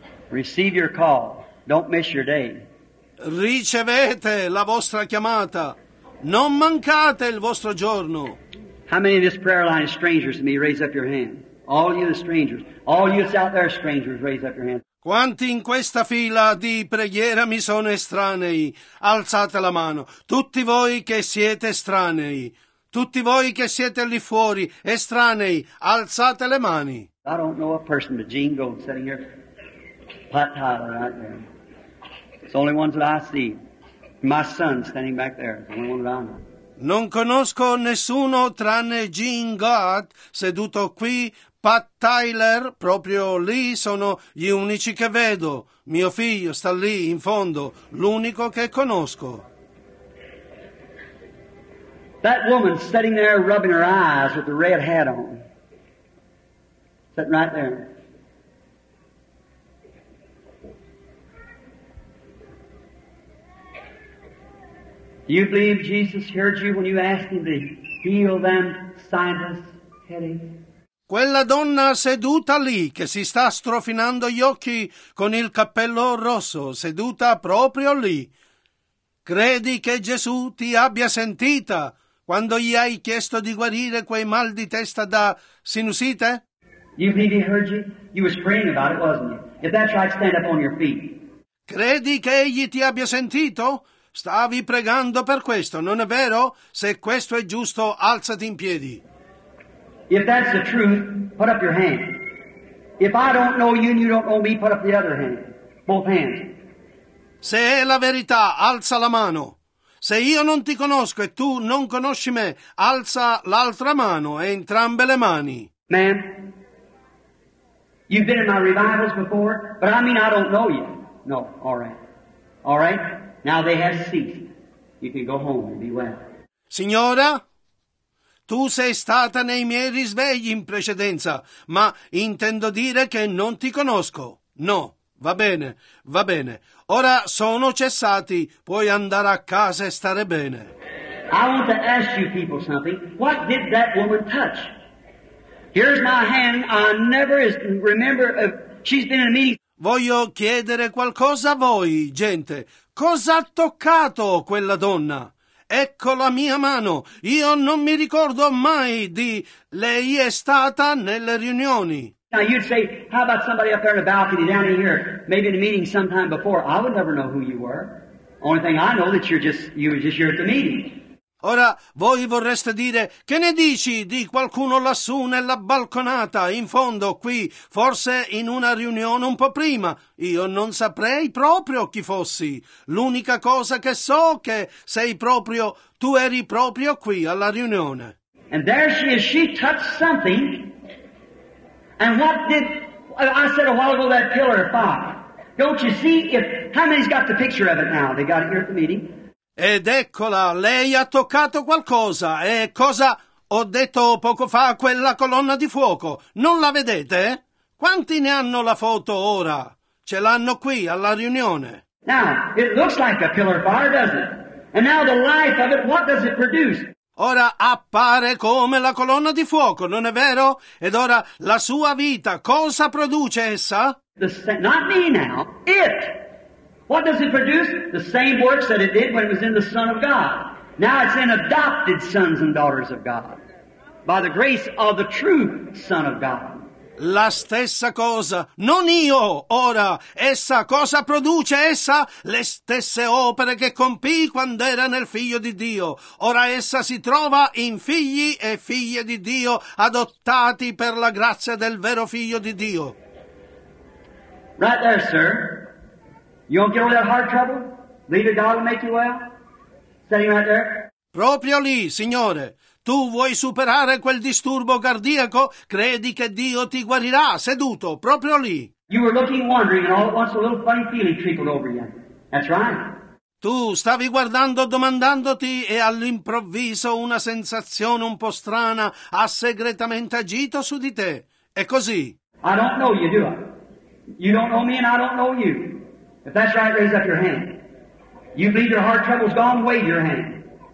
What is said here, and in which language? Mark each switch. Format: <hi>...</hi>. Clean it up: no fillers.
<en>Receive your call. Don't miss your day.</en> <it>Ricevete la vostra chiamata. Non mancate il vostro giorno.</it> <en>How many in this prayer line are strangers to me? Raise up your hand. All you strangers, all you out there strangers, raise up your hand.</en> <it>Quanti in questa fila di preghiera mi sono estranei? Alzate la mano. Tutti voi che siete estranei, tutti voi che siete lì fuori, estranei, alzate le mani.</it> <en>I don't know a person but Gene Gold sitting here, Pat Tyler right there. It's the only ones that I see. My son standing back there, the only one that I know.</en> <it>Non conosco nessuno tranne Gene Gott, seduto qui, Pat Tyler, proprio lì, sono gli unici che vedo. Mio figlio sta lì, in fondo, l'unico che conosco.</it> <en>That woman sitting there rubbing her eyes with the red hat on. Sitting right there. Do you believe Jesus heard you when you asked him to heal them sinus headache?</en> <it>Quella donna seduta lì, che si sta strofinando gli occhi con il cappello rosso, seduta proprio lì. Credi che Gesù ti abbia sentita quando gli hai chiesto di guarire quei mal di testa da sinusite?</it> <en>You believe he heard you? You were praying about it, wasn't you? If that's right, stand up on your feet.</en> <it>Credi che egli ti abbia sentito? Stavi pregando per questo, non è vero? Se questo è giusto, alzati in piedi.</it> <en>If that's the truth, put up your hand. If I don't know you and you don't know me, put up the other hand. Both hands.</en> <it>Se è la verità, alza la mano. Se io non ti conosco e tu non conosci me, alza l'altra mano e entrambe le mani.</it> <en>Ma'am, you've been in my revivals before, but I mean I don't know you. No, all right. All right? Now they have ceased. You can go home and be well.</en> <it>Signora? Tu sei stata nei miei risvegli in precedenza, ma intendo dire che non ti conosco. No, va bene, ora sono cessati, puoi andare a casa e stare bene.</it> <en>I want to ask you people something. What did that woman touch? Here's my hand, I never remember, she's been in a meeting.</en> <it>Voglio chiedere qualcosa a voi, gente. Cosa ha toccato quella donna? Ecco la mia mano, io non mi ricordo mai di lei è stata nelle riunioni.</it> <en>Now you'd say, how about somebody up there in the balcony down in here, maybe in a meeting sometime before? I would never know who you were. Only thing I know that you were just here at the meeting.</en> <it>Ora voi vorreste dire, che ne dici di qualcuno lassù nella balconata, in fondo qui, forse in una riunione un po' prima? Io non saprei proprio chi fossi. L'unica cosa che so è che sei proprio, tu eri proprio qui alla riunione.</it> <en>And there she is, she touched something. And what did, I said a while ago that pillar of fire. Don't you see, if, how many's got the picture of it now? They got it here at the meeting.</en> <it>Ed eccola, lei ha toccato qualcosa, e cosa ho detto poco fa, quella colonna di fuoco, non la vedete? Quanti ne hanno la foto ora? Ce l'hanno qui, alla riunione.</it> <en>Now, it looks like a pillar fire, doesn't it? And now the life of it, what does it produce?</en> <it>Ora appare come la colonna di fuoco, non è vero? Ed ora, la sua vita, cosa produce essa?</it> <en>Not me now, it! What does it produce? The same works that it did when it was in the Son of God. Now it's in adopted sons and daughters of God. By the grace of the true Son of God.</en> <it>La stessa cosa. Non io, ora. Essa cosa produce essa? Le stesse opere che compì quando era nel Figlio di Dio. Ora essa si trova in figli e figlie di Dio adottati per la grazia del vero Figlio di Dio.</it> <en>Right there, sir. You don't get all that heart trouble? Leave it, God will make you well? Sitting right there?</en> <it>Proprio lì, Signore. Tu vuoi superare quel disturbo cardiaco? Credi che Dio ti guarirà, seduto, proprio lì.</it> <en>You were looking, wondering, and all at once a little funny feeling trickled over you. That's right.</en> <it>Tu stavi guardando, domandandoti, e all'improvviso una sensazione un po' strana ha segretamente agito su di te. È così.</it> <en>I don't know you, do I? You don't know me and I don't know you. If that's right, raise up your hand. You believe your heart trouble's gone, wave your hand.</en>